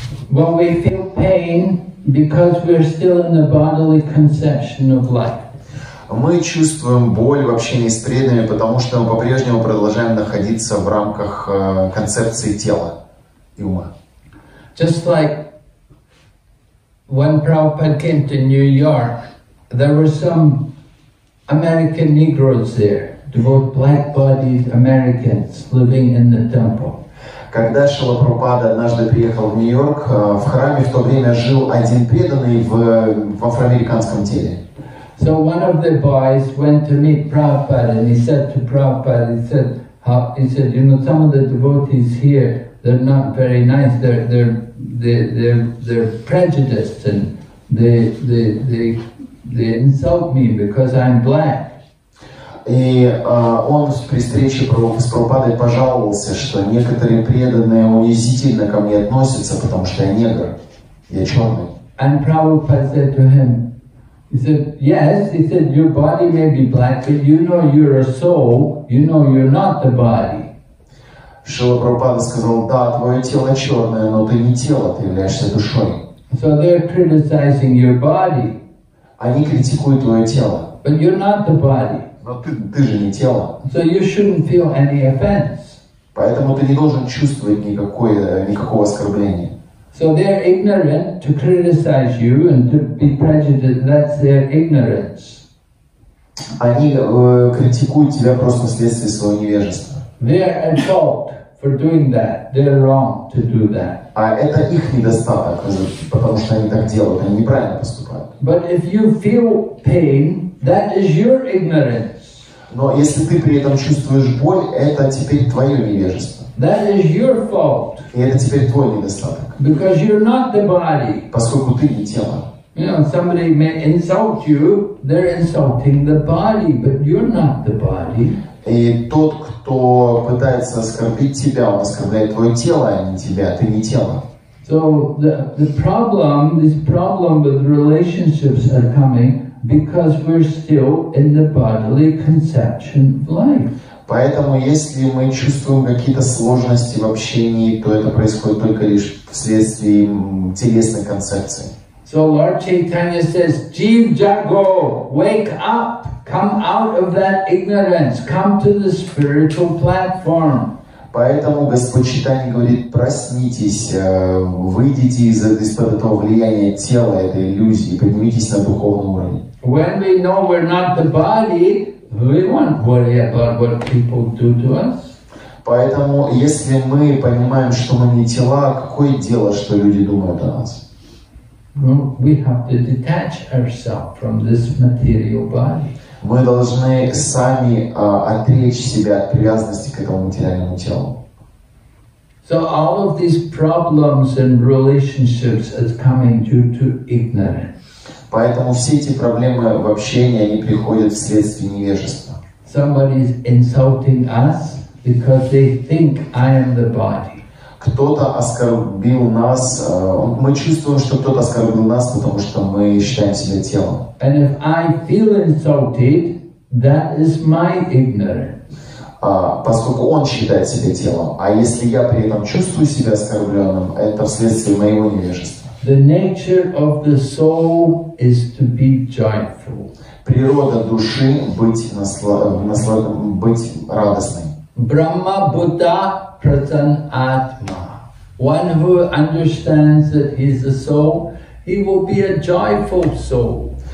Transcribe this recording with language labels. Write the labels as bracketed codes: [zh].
[en] When we feel pain because we're still in the bodily conception of life. [ru] Мы чувствуем боль в общении с преданными, потому что мы по-прежнему продолжаем находиться в рамках концепции тела и ума. [en] Just like when Prabhupada came to New York, there were some American Negroes there, devout black-bodied Americans living in the temple. [ru] Когда Шрила Прабхупада однажды приехал в Нью-Йорк, в храме в то время жил один преданный в афроамериканском теле. [en] So one of the boys went to meet Prabhupada, and he said to Prabhupada, he said, you know, some of the devotees here, they're not very nice. They're prejudiced, and they insult me because I'm black. [ru] И он при встрече с Прабхупадой пожаловался, что некоторые преданные унизительно ко мне относятся, потому что я негр, я черный. [en] And Prabhupada said to him. He said, yes, he said, your body may be black, but you know you're a soul, you know you're not the body. [ru] Шрила Прабхупада сказал, да, твое тело черное, но ты не тело, ты являешься душой. [en] So they're criticizing your body. [ru] Они критикуют твое тело. [en] But you're not the body. [ru] Но ты же не тело. [en] So you shouldn't feel any offense. [ru] Поэтому ты не должен чувствовать никакого оскорбления. [en] So they're ignorant to criticize you and to be prejudiced, that's their ignorance. [ru] Они критикуют тебя просто вследствие своего невежества. [en] They're at fault for doing that. They're wrong to do that. [ru] А это их недостаток, потому что они так делают, они неправильно поступают. [en] But if you feel pain, that is your ignorance. [ru] Но если ты при этом чувствуешь боль, это теперь твое невежество. [en] That is your fault. [ru] И это теперь твой недостаток. [en] Because you're not the body. [ru] Поскольку ты не тело. [en] You know, somebody may insult you, they're insulting the body, but you're not the body. [ru] И тот, кто пытается оскорбить тебя, он оскорбляет твое тело, а не тебя, ты не тело. [en] So the problem, this problem with relationships are coming because we're still in the bodily conception of life. [ru] Поэтому, если мы чувствуем какие-то сложности в общении, то это происходит только лишь вследствие телесной концепции. [en] So Lord Chaitanya says, Jeev Jago, wake up, come out of that ignorance, come to the spiritual platform. [ru] Поэтому Господь Чайтанья говорит, проснитесь, выйдите из-под этого влияния тела, этой иллюзии, поднимитесь на духовный уровень. [en] When we know we're not the body, we won't worry about what people do to us. [ru] Поэтому, если мы понимаем, что мы не тела, какое дело, что люди думают о нас? [en] Well, we have to detach ourselves from this material body. [ru] Мы должны сами отречь себя от привязанности к этому материальному телу. [en] So all of these problems and relationships are coming due to ignorance. [ru] Поэтому все эти проблемы в общении, они приходят вследствие невежества. [en] Somebody is insulting us because they think I am the body. [ru] Кто-то оскорбил нас, мы чувствуем, что кто-то оскорбил нас, потому что мы считаем себя телом. [en] And if I feel insulted, that is my ignorance. [ru] Поскольку он считает себя телом, а если я при этом чувствую себя оскорбленным, это вследствие моего невежества. [en] The nature of the soul is to be joyful. [ru] Природа души быть радостной. [sa] Brahma Buddha Pratan Atma. [en] One who understands that he is a soul, he will be a joyful soul.